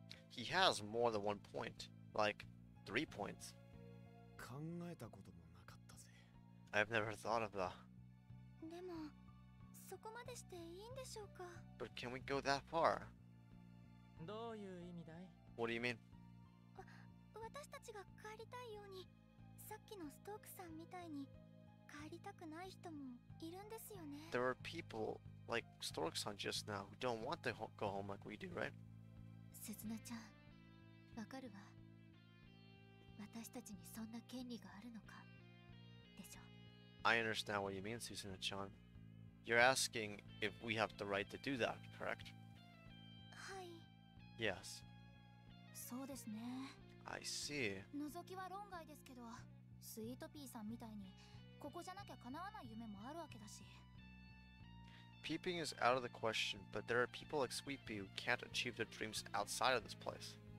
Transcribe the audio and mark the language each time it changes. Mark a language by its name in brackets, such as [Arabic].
[English] He has more than one point, like 3 points. [Japanese] 考えたこともなかったぜ。 [English] I've never thought of that. [Japanese] でも、そこまでしていいんでしょうか? [English] But can we go that far? [Japanese] どういう意味だい? [English] What do you mean? [Japanese] 私たちが帰りたいように、さっきのストークさんみたいに帰りたくない人もいるんですよね? [English] There are people like Stork-san just now who don't want to go home like we do, right? [Japanese] スズナちゃん、わかるわ。私たちにそんな権利があるのかでしょ? [English] I understand what you mean, Susanna-chan. You're asking if we have the right to do that, correct? [Japanese] はい。 [English] Yes. [Japanese] そうですね。 [English] I see. [Japanese] 覗きは論外ですけど、スイートピーさんみたいにここじゃなきゃ叶わない夢もあるわけだし。 [English] Peeping is out of the question, but there are people like Sweet Pea who can't achieve their dreams outside of this place.